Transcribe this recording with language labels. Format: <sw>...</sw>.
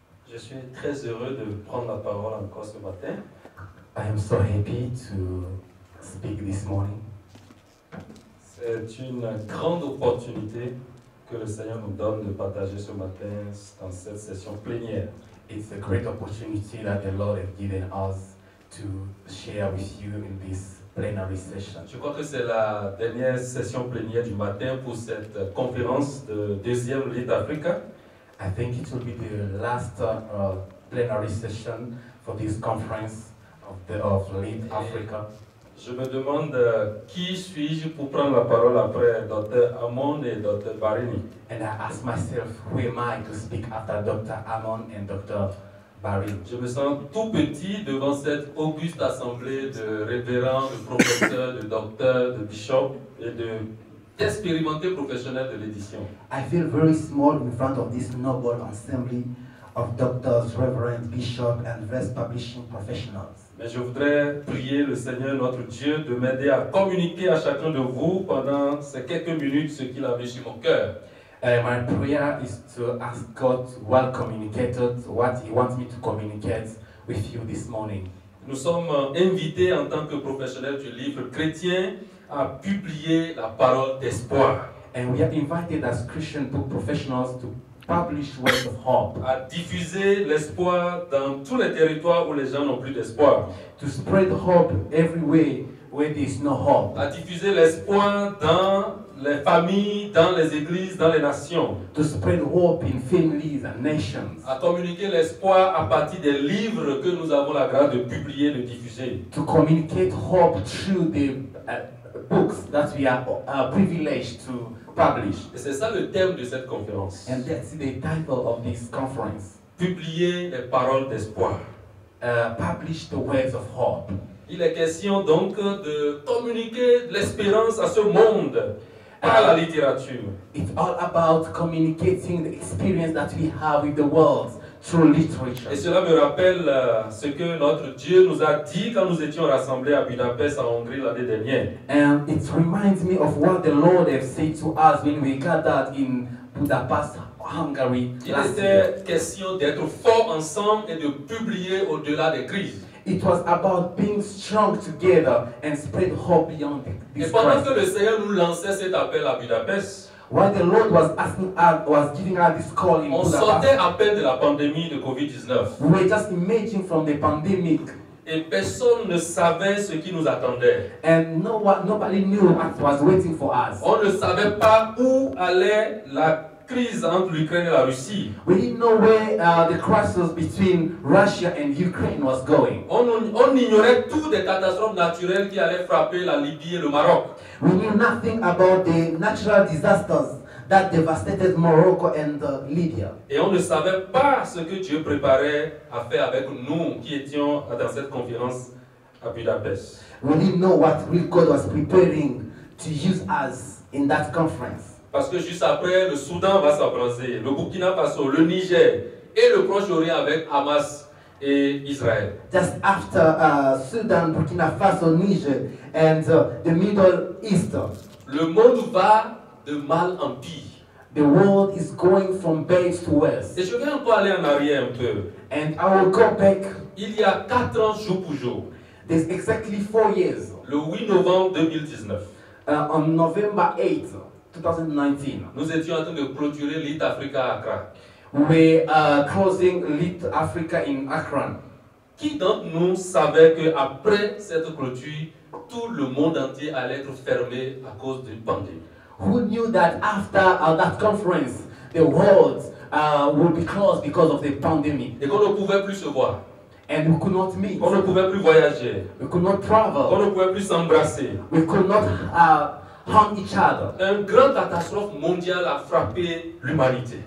<fr>Je suis très heureux de prendre la parole encore ce matin.</fr> <en>I am so happy to speak this morning.</en> <fr>C'est une grande opportunité que le Seigneur nous donne de partager ce matin dans cette session plénière.</fr> <en>It's a great opportunity that the Lord has given us to share with you in this plenary session.</en> <fr>Je crois que c'est la dernière session plénière du matin pour cette conférence de deuxième LittAfrica.</fr> <en>I think it will be the last plenary session for this conference of LittAfrica.</en> <fr>Je me demande qui suis-je pour prendre la parole après Dr. Amon et Dr. Barini.</fr> <en>And I ask myself, who am I to speak after Dr. Amon and Dr. Barini?</en> <fr>Je me sens tout petit devant cette auguste assemblée de révérends, de professeurs, de docteurs, de bishops et de expérimentés professionnels de l'édition.</fr> <en>I feel very small in front of this noble assembly of doctors, reverend, bishop, and best publishing professionals.</en> <fr>Mais je voudrais prier le Seigneur notre Dieu de m'aider à communiquer à chacun de vous pendant ces quelques minutes ce qu'il avait sur mon cœur.</fr> <en>My prayer is to ask God well communicated what He wants me to communicate with you this morning.</en> <fr>Nous sommes invités en tant que professionnels du livre chrétien à publier la parole d'espoir.</fr> <en>And we are invited as Christian book professionals to publish words of hope.</en> <fr>À diffuser l'espoir dans tous les territoires où les gens n'ont plus d'espoir.</fr> <en>To spread hope everywhere where there is no hope.</en> <fr>À diffuser l'espoir dans les familles, dans les églises, dans les nations.</fr> <en>To spread hope in families and nations.</en> <fr>À communiquer l'espoir à partir des livres que nous avons la grâce de publier, de diffuser.</fr> <en>To communicate hope through the books that we are privileged to publish.</en> <fr>Et c'est ça le thème de cette conférence.</fr> <en>And that's the title of this conference.</en> <fr>Publier les paroles d'espoir.</fr> <en>Publish the words of hope.</en> <fr>Il est question donc de communiquer l'espérance à ce monde par la littérature.</fr> <en>It's all about communicating the experience that we have with the world through literature.</en> <fr>Et cela me rappelle ce que notre Dieu nous a dit quand nous étions rassemblés à Budapest en Hongrie l'année dernière.</fr> <en>And it reminds me of what the Lord has said to us when we gathered in Budapest, Hungary last year.</en> <fr>Il était question d'être fort ensemble et de publier au-delà des crises.</fr> <en>It was about being strong together and spread hope beyond this crisis.</en> <fr>Et pendant que le Seigneur nous lançait cet appel à Budapest,</fr> <en>while the Lord was asking us, was giving us this call in Budapest,</en> <fr>on sortait à peine de la pandémie de COVID-19.</fr> <en>We were just emerging from the pandemic.</en> <fr>Et personne ne savait ce qui nous attendait.</fr> <en>And nobody knew what was waiting for us.</en> <fr>On ne savait pas où allait la crise entre l'Ukraine et la Russie.</fr> <en>We didn't know where the crisis between Russia and Ukraine was going.</en> <fr>On ignorait tout des catastrophes naturelles qui allaient frapper la Libye et le Maroc.</fr> <en>We knew nothing about the natural disasters that devastated Morocco and Libya.</en> <fr>Et on ne savait pas ce que Dieu préparait à faire avec nous qui étions dans cette conférence à Budapest.</fr> <en>We didn't know what real God was preparing to use us in that conference.</en> <fr>Parce que juste après, le Soudan va s'embraser, le Burkina Faso, le Niger et le Proche-Orient avec Hamas et Israël.</fr> <en>Just after Sudan, Burkina Faso, Niger and the Middle East.</en> <fr>Le monde va de mal en pire.</fr> <en>The world is going from bad to worse.</en> <fr>Et je vais encore aller en arrière un peu.</fr> <en>And I will go back.</en> <fr>Il y a 4 ans jour pour jour.</fr> <en>There's exactly 4 years.</en> <fr>Le 8 novembre 2019.</fr> <en>On November 8th. 2019.</en> <fr>Nous étions en train de clôturer LittAfrica à Accra.</fr> <en>We are closing LittAfrica in Accra.</en> <fr>Qui d'entre nous savait que après cette clôture, tout le monde entier allait être fermé à cause d'une pandémie?</fr> <en>Who knew that after that conference, the world would be closed because of the pandemic?</en> <fr>Et qu'on ne pouvait plus se voir.</fr> <en>And we could not meet.</en> <fr>Qu'on ne pouvait plus voyager.</fr> <en>We could not travel.</en> <fr>Qu'on ne pouvait plus s'embrasser.</fr> <en>We could not hug each other.</en> <fr>Un grand catastrophe mondiale a frappé l'humanité.</fr>